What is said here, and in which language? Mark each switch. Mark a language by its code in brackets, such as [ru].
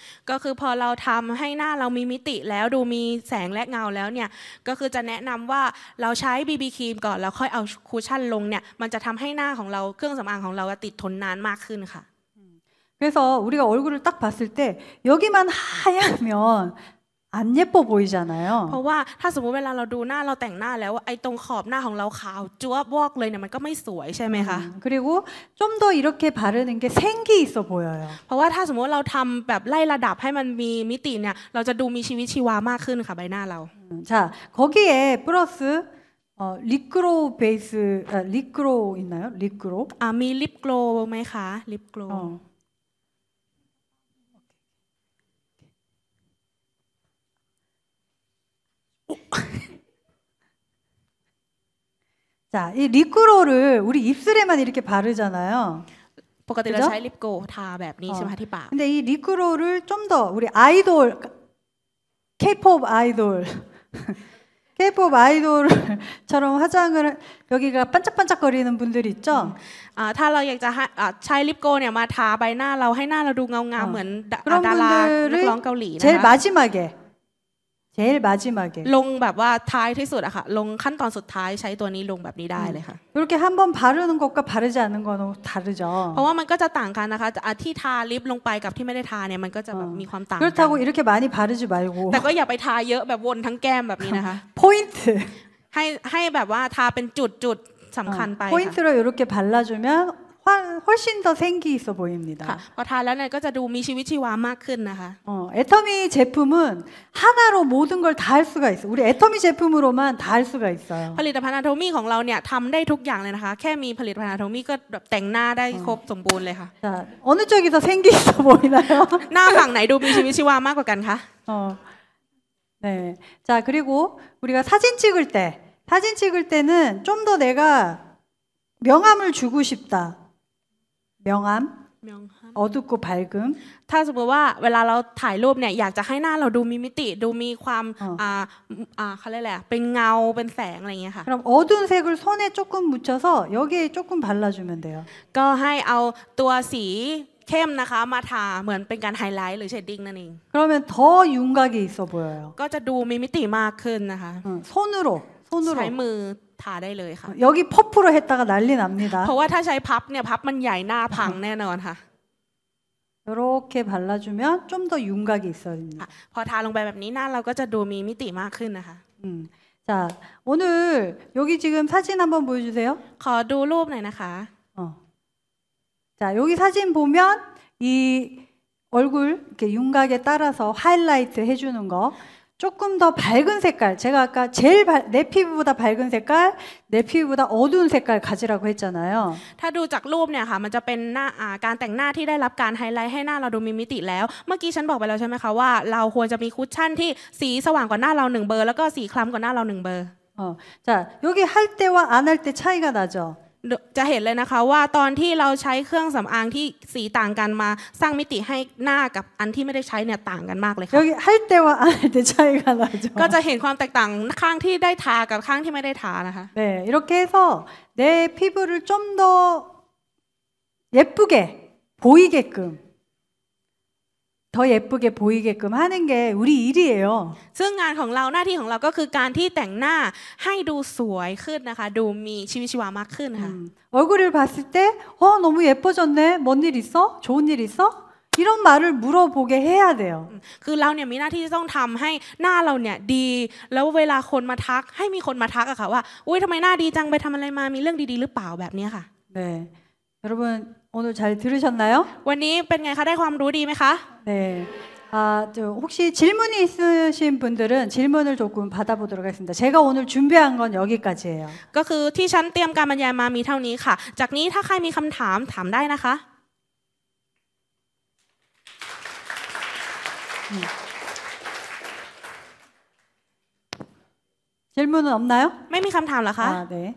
[th] ก็คือพอเราทำให้หน้าเรามีมิติแล้วดูมีแสงและเงาแล้วเนี่ยก็คือจะแนะนำว่าเราใช้บีบีครีมก่อนแล้วค่อยเอาคุชชั่นลงเนี่ยมันจะทำให้หน้าของเราเครื่องสำอางของเราติดทนนานมากขึ้นค่ะ [ko] 그래서우리가얼굴을딱봤을때여기만하얀면안예뻐보이잖아요 [th] เพราะว่าถ้าสมมติเวลาเราดูหน้าเราแต่งหน้าแล้วไอ้ตรงขอบหน้าของเราขาวจั๊วบวอกเลยเนี่ยมันก็ไม่สวยใช่ไหมคะ [ko] 그리고좀더이렇게바르는게생기있어보여요 [th] เพราะว่าถ้าสมมติเราทำแบบไล่ระดับให้มันมีมิติเนี่ยเราจะดูมีชีวิตชีวามากขึ้นค่ะใบหน้าเรา [ko] 자거기에플러스리크로베이스리크로있나요리크로 [th] มีลิปโกลว์ไหมคะลิปโกลว์ [ko] 자이립글로우리입술에만이렇게바르잖아요 [th] ปกติเราใช้ลิปโกลทาแบบนี้ใช่ไหมที่ปาก [ko] 근데이립글로를좀더우리아이돌 K-POP 아이돌 K-POP 아이돌처럼화장을여기가반짝반짝거리는분들있죠 [th] ถ้าเราอยากจะใช้ลิปโกลเนี่ยมาทาใบหน้าเราให้หน้าเราดูเงางามเหมือนดารานักร้องเกาหลีนะคะ [ko] 제일 마지막에제일 마지막에 [th] ลงแบบว่าท้ายที่สุดอะค่ะลงขั้นตอนสุดท้ายใช้ตัวนี้ลงแบบนี้ได้เลยค่ะ [ko] 이렇게한번바르는것과바르지않는건다르죠 [th] เพราะว่ามันก็จะต่างกันนะคะที่ทาลิปลงไปกับที่ไม่ได้ทาเนี่ยมันก็จะแบบมีความต่าง กันก็ถ้าว่า [ko] 이렇게많이바르지말고 [th] แต่ก็อย่าไปทาเยอะแบบวนทั้งแก้มแบบนี้นะคะ [en] point [th] ให้แบบว่าทาเป็นจุดๆสําคัญไป [ko] point로 이렇게발라주면훨씬더생기있어보입니다 [th] พอทาแล้วเนี่ยก็จะดูมีชีวิตชีวามากขึ้นนะคะ [ko] เอทอมี제품은하나로모든걸다할수가있어우리에터미제품으로만다할수가있어요 [th] ผลิตภัณฑ์อโทมี่ของเราเนี่ยทําได้ทุกอย่างเลยนะคะแค่มีผลิตภัณฑ์อโทมี่ก็แบบแต่งหน้าได้ครบสมบูรณ์เลยค่ะ [ko] 자어느쪽에서생기있어보이나요 [th] หน้าฝั่งไหนดูมีชีวิตชีวามากกว่ากันคะ [ko] 네자그리고우리가사진찍을때사진찍을때는좀더내가명암을주고싶다명암 명 어둡고밝음 [th] ถ้าสมมติว่าเวลาเราถ่ายรูปเนี่ยอยากจะให้หน้าเราดูมีมิติดูมีความเขาเรียกอะไรเป็นเงาเป็นแสงอะไรเงี้ยค่ะ [ko] คือ어두운색을손에조금묻혀서여기에조금발라주면돼요 [th] ก็ให้เอาตัวสีเข้มนะคะมาทาเหมือนเป็นการไฮไลท์หรือเชดดิ้งนั่นเอง คือมัน [ko] 더윤곽이있어보여요 [th] ก็จะดูมีมิติมากขึ้นนะคะ [ko] 손으로손으로 [th] ใช้มือทาได้เลยค่ะ [ko] 여기퍼프로했다가난리납니다 [th] เพราะว่าถ้าใช้พับเนี่ยพับมันใหญ่หน้าพังแน่นอนค่ะ [ko] 이렇게발라주면좀더윤곽이있어집니다 [th] พอทาลงไปแบบนี้หน้าเราก็จะดูมีมิติมากขึ้นนะคะ [ko] 자오늘여기지금사진한번보여주세요 [th] ขอดูรูปหน่อยนะคะ [ko] 자여기사진보면이 얼굴 윤곽에 따라서 하이라이트 해주는 거. 조금 더 밝은 색깔. 제가 아까 제일 내 피부보다 밝은 색깔, 내 피부보다 어두운 색깔 가지라고 했잖아요. [th] ถ้าดูจากรูปเนี่ยค่ะมันจะเป็นหน้าการแต่งหน้าที่ได้รับการไฮไลท์ให้หน้าเราดูมีมิติแล้วเมื่อกี้ฉันบอกไปแล้วใช่ไหมคะว่าเราควรจะมีคุชชั่นที่สีสว่างกว่าหน้าเราหนึ่งเบอร์แล้วก็สีคล้ำกว่าหน้าเราหนึ่งเบอร์ [ko] 자, 여기 할 때와 안할때 차이가 나죠? [th] จะเห็นเลยนะคะว่าตอนที่เราใช้เครื่องสําอางที่สีต่างกันมาสร้างมิติให้หน้ากับอันที่ไม่ได้ใช้เนี่ยต่างกันมากเลยค่ะ [ko] 여기 할 때와 안할때 차이가 나죠? [th] ก็จะเห็นความแตกต่างข้างที่ได้ทากับข้างที่ไม่ได้ทานะคะ [ko] 네 이렇게 해서 내 피부를 좀 더 예쁘게 보이게끔 더 예쁘게 보이게끔 하는 게 우리 일이에요. [th] ซึ่งงานของเราหน้าที่ของเราก็คือการที่แต่งหน้าให้ดูสวยขึ้นนะคะดูมีชีวิตชีวามากขึ้นค่ะ [ko] 얼굴을봤을때 너무 예뻐졌네. 뭔 일 있어? 좋은 일 있어? 이런 말을 물어보게 해야 돼요. [th] คือเราเนี่ยมีหน้าที่ที่ต้องทําให้หน้าเราเนี่ยดีแล้วเวลาคนมาทักให้มีคนมาทักอะค่ะว่าอุ๊ยทําไมหน้าดีจังไปทําอะไรมามีเรื่องดีๆหรือเปล่าแบบนี้ค่ะ [ko] 네. 여러분오늘잘들으셨나요? [th] วันนี้เป็นไงคะได้ความรู้ดีมั้ยคะ? [ko] 네. 아, 저 혹시 질문이 있으신 분들은 질문을 조금 받아보도록 하겠습니다. 제가 오늘 준비한 건 여기까지예요. ก็คือที่ฉันเตรียมการบรรยายมามีเท่านี้ค่ะ.จากนี้ถ้าใครมีคําถามถามได้นะคะ. 질문은없나요? [th] ไม่มีคําถามเหรอคะ? [ko] 아, 네.